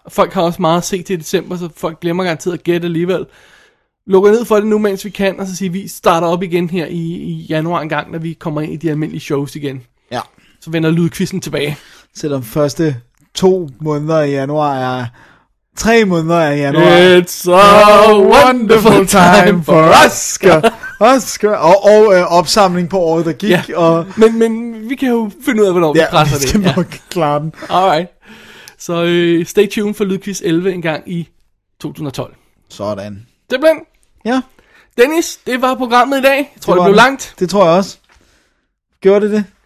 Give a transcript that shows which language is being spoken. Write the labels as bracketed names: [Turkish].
[Danish] Folk har også meget set til december, så folk glemmer garanteret at gætte alligevel. Lukker ned for det nu, mens vi kan, og så siger vi starter op igen her i januar en gang, når vi kommer ind i de almindelige shows igen. Ja. Så vender lydquizzen tilbage. Selvom første 2 måneder i januar er 3 måneder i januar. [English] It's a wonderful time for Oscar. [Danish] Oscar. Og opsamling på året, der gik. Ja. Og... Men vi kan jo finde ud af, hvornår vi presser det. Ja, vi skal nok klare den. Alright. Så [English] stay tuned [Danish] for Lydquiz 11 en gang i 2012. Sådan. Det blev. Ja. Dennis, det var programmet i dag. Jeg tror, det blev langt. Det tror jeg også. Gjorde det?